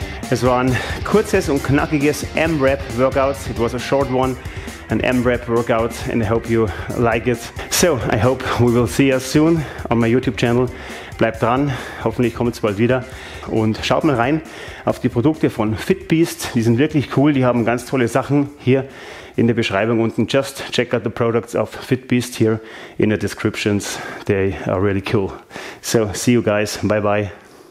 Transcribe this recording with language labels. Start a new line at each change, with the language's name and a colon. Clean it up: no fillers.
German: Es war ein kurzes und knackiges AMRAP workout.
English: It was a short one, an AMRAP workout, and I hope you like it. So, I hope we will see us soon on my YouTube channel.
German: Bleibt dran, hoffentlich kommt es bald wieder. Und schaut mal rein auf die Produkte von Fitbeast. Die sind wirklich cool, die haben ganz tolle Sachen hier in der Beschreibung unten.
English: Just check out the products of Fitbeast here in the descriptions. They are really cool. So, see you guys. Bye bye.